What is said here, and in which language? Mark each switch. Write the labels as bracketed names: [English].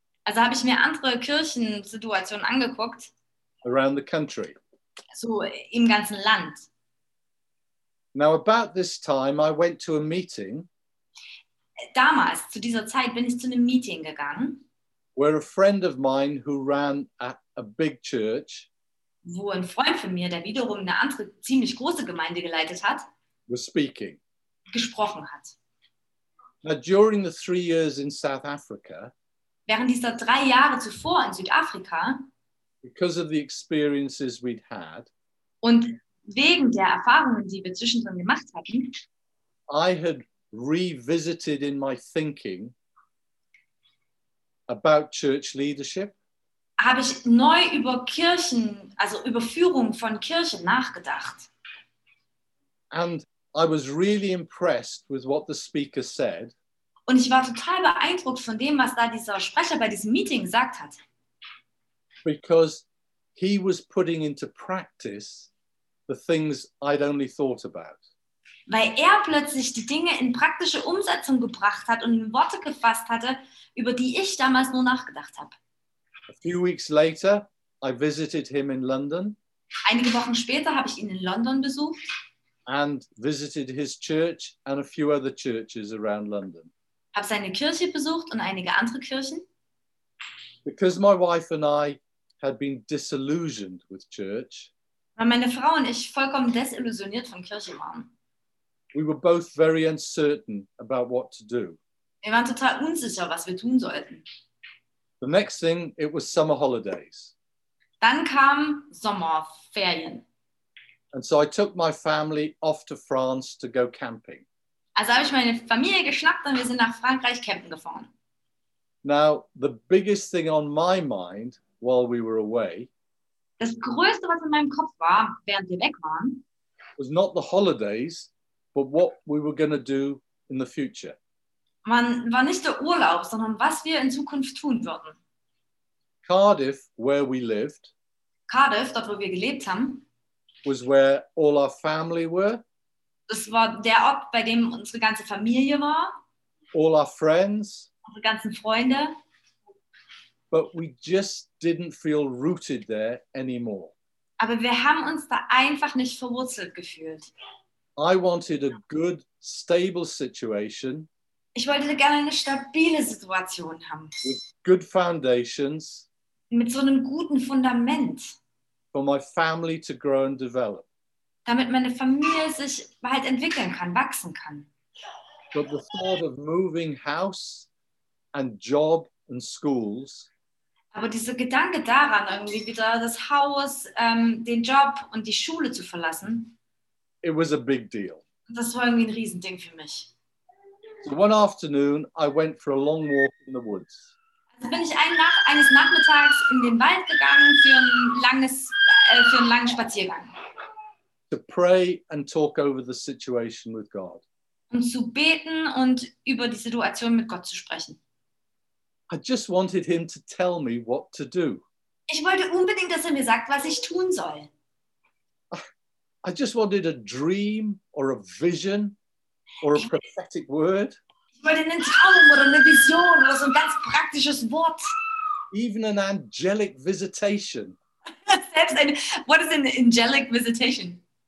[German] Also habe ich mir andere Kirchensituationen angeguckt. [English] Around the country. [German] So im ganzen Land. [English] Now about this time I went to a meeting. [German] Damals, zu dieser Zeit, bin ich zu einem Meeting gegangen. [English] where a friend of mine who ran a big church, [German] wo ein Freund von mir, der wiederum eine andere ziemlich große Gemeinde geleitet hat, [English] was speaking, [German] gesprochen hat. [English] Now, during the 3 years in South Africa, [German] während dieser 3 Jahre zuvor in Südafrika, [English] because of the experiences we'd had, [German] und wegen der Erfahrungen, die wir zwischendrin gemacht hatten, [English] I had revisited in my thinking about church leadership, [German] habe ich neu über Kirchen, also über Führung von Kirchen nachgedacht. [English] And I was really impressed with what the speaker said. [German] Und ich war total beeindruckt von dem, was da dieser Sprecher bei diesem Meeting gesagt hat. [English] Because he was putting into practice the things I'd only thought about. [German] Weil er plötzlich die Dinge in praktische Umsetzung gebracht hat und in Worte gefasst hatte, über die ich damals nur nachgedacht habe. [English] A few weeks later, I visited him in London. [German] Einige Wochen später habe ich ihn in London besucht. [English] And visited his church and a few other churches around London. [German] Habe seine Kirche besucht und einige andere Kirchen. [English] Because my wife and I had been disillusioned with church. [German] Weil meine Frau und ich vollkommen desillusioniert von Kirche waren. [English] We were both very uncertain about what to do. [German] Wir waren total unsicher, was wir tun sollten. [English] The next thing, it was summer holidays. [German] Dann kam Sommerferien. [English] And so I took my family off to France to go camping. [German] Also habe ich meine Familie geschnappt und wir sind nach Frankreich campen gefahren. [English] Now, the biggest thing on my mind while we were away, [German] das Größte, was in meinem Kopf war, während wir weg waren, [English] was not the holidays, but what we were going to do in the future. [German] Man war nicht der Urlaub, sondern was wir in Zukunft tun würden. [English] Cardiff, where we lived, [German] Cardiff, dort wo wir gelebt haben, [English] was where all our family were. [German] Das war der Ort, bei dem unsere ganze Familie war. [English] All our friends. [German] Unsere ganzen Freunde. [English] But we just didn't feel rooted there anymore. [German] Aber wir haben uns da einfach nicht verwurzelt gefühlt. [English] I wanted a good, stable situation. [German] Ich wollte gerne eine stabile Situation haben. [English] With good foundations. [German] Mit so einem guten Fundament. [English] For my family to grow and develop. [German] Damit meine Familie sich halt entwickeln kann, wachsen kann. [English] But the thought of moving house and job and schools. [German] Aber dieser Gedanke daran, irgendwie wieder das Haus, den Job und die Schule zu verlassen. [English] It was a big deal. [German] Das war irgendwie ein Riesending für mich. [English] So one afternoon, I went for a long walk in the woods. [German] Also bin ich eines Nachmittags in den Wald gegangen für einen langen Spaziergang. [English] To pray and talk over the situation with God. [German] Um zu beten und über die Situation mit Gott zu sprechen. [English] I just wanted him to tell me what to do. [German] Ich wollte unbedingt, dass er mir sagt, was ich tun soll. [English] I just wanted a dream or a vision or a prophetic word. [German] Ich wollte einen Traum oder eine Vision oder so ein ganz praktisches Wort. [English] Even an angelic visitation. What is an angelic visitation?